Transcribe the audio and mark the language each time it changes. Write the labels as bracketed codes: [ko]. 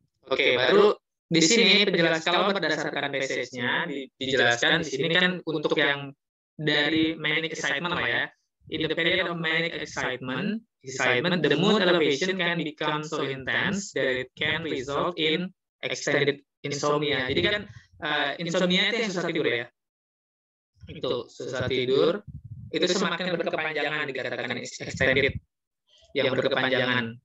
[id] Oke, baru di sini penjelasan kalau berdasarkan passage-nya dijelaskan di sini kan untuk yang dari manic excitement lah ya. [en] In the period of manic excitement, the mood elevation can become so intense that it can result in extended insomnia. [id] Jadi kan insomnia itu yang susah tidur ya. Itu susah tidur itu semakin berkepanjangan dikatakan extended yang berkepanjangan.